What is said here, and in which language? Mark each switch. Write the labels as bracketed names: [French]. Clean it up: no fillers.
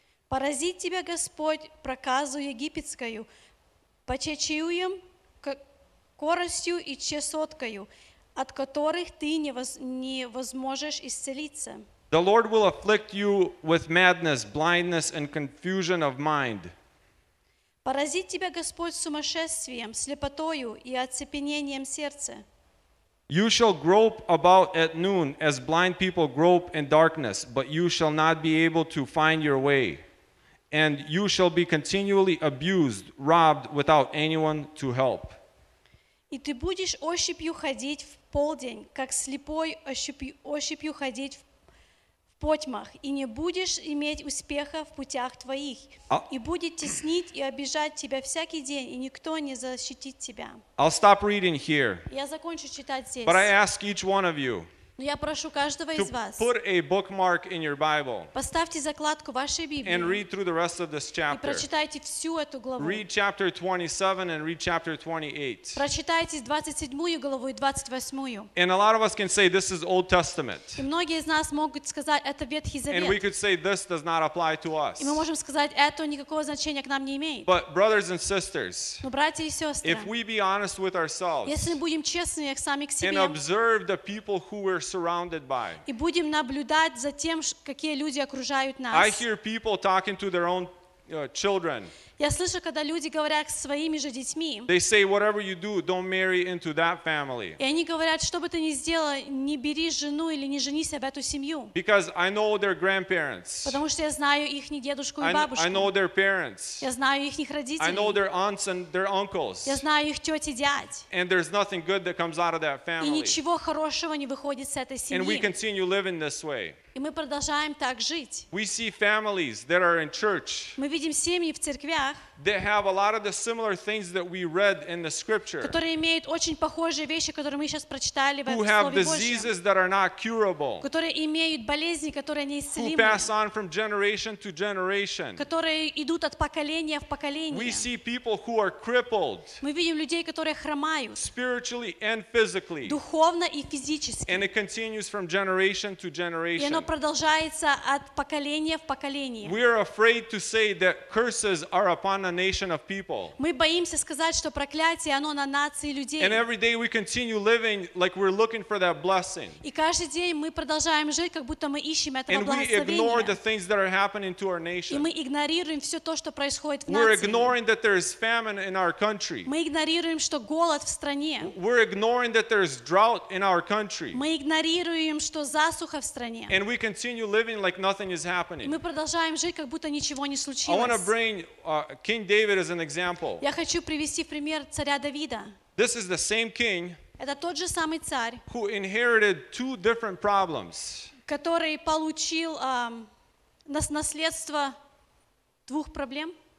[Russian] Поразит тебя Господь проказу египетскую, почечиюем, коростью и чесоткою, от которых ты не возможешь исцелиться. [English] The Lord will afflict you with madness, blindness, and confusion of mind. [Russian] Поразит тебя Господь сумасшествием, слепотою и оцепенением сердца. [English] You shall grope about at noon as blind people grope in darkness, but you shall not be able to find your way. And you shall be continually abused, robbed without anyone to help. [Russian] И ты будешь ощупью ходить в полдень, как слепой ощупью ходить в потьмах и не будешь иметь успеха в путях твоих. И будет теснить и обижать тебя всякий день, и никто не защитит тебя. [English] I'll stop reading here. [Russian] Я закончу читать здесь. [English] But I ask each one of you. [Russian] Но я прошу каждого из вас. [English] Put a bookmark in your Bible. [Russian] Поставьте закладку вашей Библии. [English] And read through the rest of this chapter. [Russian] И прочитайте всю эту главу. [English] Read chapter 27 and read chapter 28. [Russian] Прочитайте 27-ю главу и 28-ю. [English] And a lot of us can say this is Old Testament. [Russian] И многие из нас могут сказать, это Ветхий Завет. [English] And we could say this does not apply to us. [Russian] И мы можем сказать, это никакого значения к нам не имеет. [English] But brothers and sisters. [Russian] Но братья и сестры. [English] If we be honest with ourselves. [Russian] Если будем честны сами к себе. [English] And observe the people who were surrounded by. [Russian] И будем наблюдать за тем, какие люди окружают нас. [English] I hear people talking to their own children. [Russian] Я слышу, когда люди говорят с своими же детьми. [English] They say whatever you do, don't marry into that family. [Russian] И они говорят, что бы ты ни сделал, не бери жену или не женись в эту семью. [English] Because I know their grandparents. [Russian] Потому что я знаю их не дедушку и бабушку. [English] I know their parents. [Russian] Я знаю их не родителей. [English] I know their aunts and their uncles. [Russian] Я знаю их тёти и дядь. [English] And there's nothing good that comes out of that family. [Russian] И ничего хорошего не выходит с этой семьи. [English] And we continue living this way. [Russian] И мы продолжаем так жить. [English] We see families that are in church. [Russian] Мы видим семьи в церквях. [English] They have a lot of the similar things that we read in the scripture. [Russian] Которые имеют очень похожие вещи, которые мы сейчас прочитали в Слове Божьем. [English] Who have diseases that are not curable. [Russian] Которые имеют болезни, которые неисцелимы. [English] Who pass on from generation to generation. [Russian] Которые идут от поколения в поколение. [English] We see people who are crippled. [Russian] Мы видим людей, которые хромают. [English] Spiritually and physically. [Russian] Духовно и физически. [English] And it continues from generation to generation. [Russian] И оно продолжается от поколения в поколение. [English] We are afraid to say that curses are upon a nation of people. [Russian] Мы боимся сказать, что проклятие оно на нации людей. [English] And every day we continue living like we're looking for that blessing. [Russian] И каждый день мы продолжаем жить, как будто мы ищем этого благословения. [English] And we ignore the things that are happening to our nation. [Russian] И мы игнорируем все то, что происходит в нации. [English] We're ignoring that there is famine in our country. [Russian] Мы игнорируем, что голод в стране. [English] We're ignoring that there is drought in our country. [Russian] Мы игнорируем, что засуха в стране. [English] And we continue living like nothing is happening. [Russian] Мы продолжаем жить, как будто ничего не случилось. [English] I want to bring King David as an example. [Russian] Я хочу привести пример царя Давида. [English] This is the same king. [Russian] Это тот же самый царь. [English] Who inherited two different problems. [Russian] Который получил наследство двух проблем.